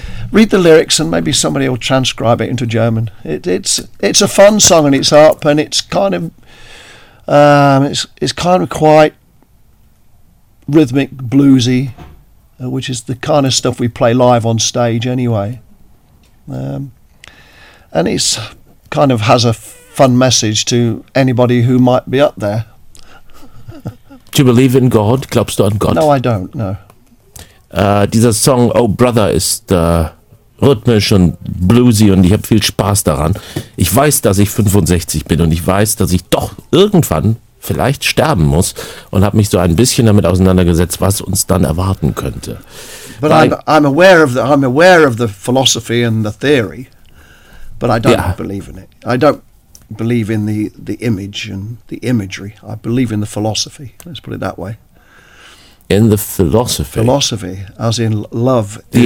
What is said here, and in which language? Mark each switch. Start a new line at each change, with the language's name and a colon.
English: Read the lyrics and maybe somebody will transcribe it into German. It's a fun song and it's up and it's kind of quite rhythmic, bluesy, which is the kind of stuff we play live on stage anyway. And it's kind of has a fun message to anybody who might be up there. Do you believe in God?
German: Glaubst du an Gott?
English: No, I don't, no.
German: Dieser Song Oh Brother ist rhythmisch und bluesy und ich habe viel Spaß daran. Ich weiß, dass ich 65 bin und ich weiß, dass ich doch irgendwann vielleicht sterben muss und habe mich so ein bisschen damit auseinandergesetzt, was uns dann erwarten könnte.
English: But I'm aware of the philosophy and the theory, but I don't believe in it. I don't believe in the image and the imagery. I believe in the philosophy, let's put it that way. In the philosophy? Philosophy, as in love.